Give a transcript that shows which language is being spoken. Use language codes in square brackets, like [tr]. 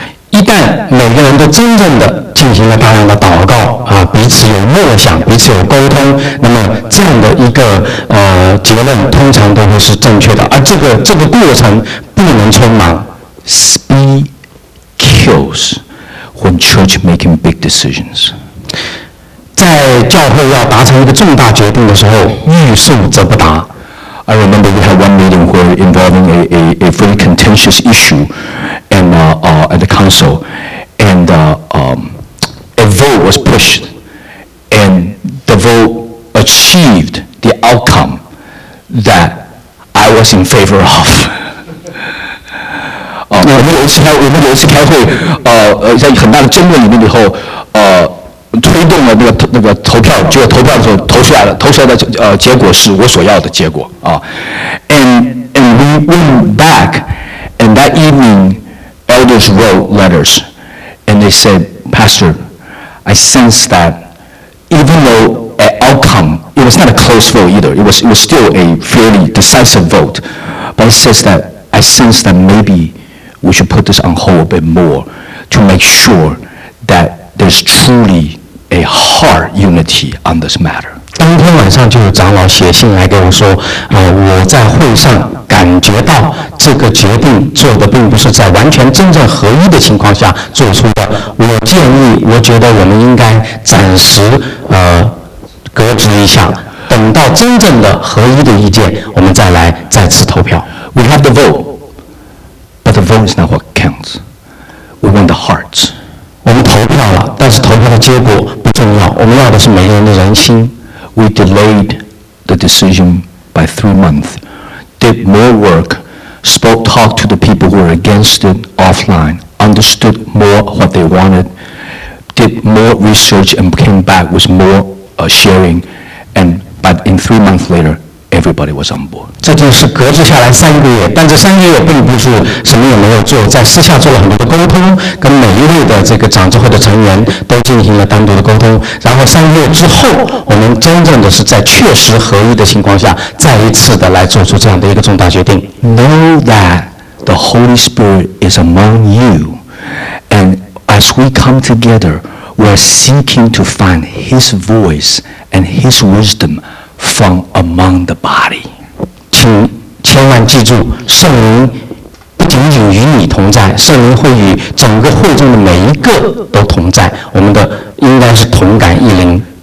[zh] 一旦每个人都真正的进行了大量的祷告、彼此有默想，彼此有沟通，那么这样的一个、结论通常都会是正确的，而这个过程不能匆忙。 [en] Speed kills when church making big decisions. [zh] 在教会要达成一个重大决定的时候，欲速则不达。 [en] I remember we had one meeting where involving a very contentious issue, and at the council, and a vote was pushed, and the vote achieved the outcome that I was in favor of. [zh] 我们有一次开会，在很大的争论里面以后，推动了那个投票，就投票的时候投出来了，投出来的结果是我所要的结果啊。 [en] And we went back, and that evening, elders wrote letters, and they said, Pastor, I sense that even though an outcome, it was not a close vote either, it was still a fairly decisive vote, but I sense that maybe we should put this on hold a bit more to make sure that there's truly. A heart unity on this matter. [zh] 当天晚上就有长老写信来给我说，我在会上感感觉到这个决定做的并不是在完全真正合一的情况下做出的，我建议，我觉得我们应该暂时搁置一下，等到真正的合一的意见，我们再来再次投票。 [en] We have the vote, but the vote is not what counts. We want the hearts. [zh] 我们投票了，但是投票的结果不重要，我们要的是每个人的人心。 [en] We delayed the decision by 3 months. Did more work, spoke, talked to the people who were against it offline, understood more what they wanted, did more research and came back with more sharing, and but in 3 months later, everybody was on board. [zh] 这就是隔置下来三个月，但这三个月并不是什么也没有做，在私下做了很多的沟通，跟每一位的这个长智慧的成员都进行了单独的沟通，然后三个月之后，我们真正的是在确实合一的情况下，再一次的来做出这样的一个重大决定。 [en] Know that the Holy Spirit is among you, and as we come together, we're seeking to find His voice and His wisdom. From among the body, [zh] 请千万记住，圣灵不仅仅与你同在，圣灵会与整个会众的每一个都同在。我们的应该是同感一灵。